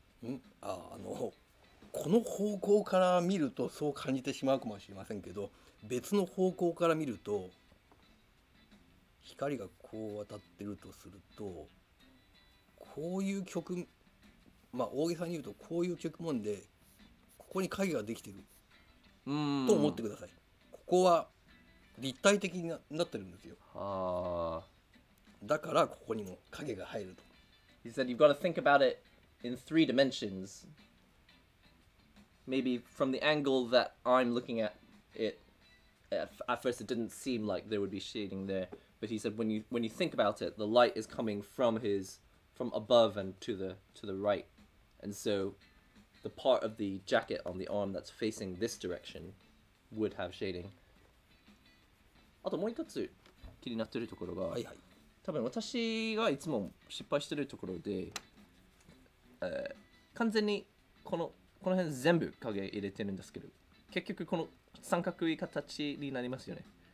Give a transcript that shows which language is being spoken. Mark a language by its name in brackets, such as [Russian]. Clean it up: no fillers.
[Japanese] うん、あのこの方向から見るとそう感じてしまうかもしれませんけど別の方向から見ると光がこう渡ってるとするとこういう曲まあ大げさに言うとこういう曲もんでここに影ができてると思ってください。ここは立体的になってるんですよ。あだからここにも影が入ると。 [English] He said you've got to think about it in three dimensions. Maybe from the angle that I'm looking at itAt first, it didn't seem like there would be shading there, but he said when you think about it, the light is coming from above and to the right, and so the part of the jacket on the arm that's facing this direction would have shading. [Japanese] あともう一つ気になってるところが、はいはい、多分私がいつも失敗してるところで、完全にこの辺全部影入れてるんですけど、結局この三角い形になりますよね。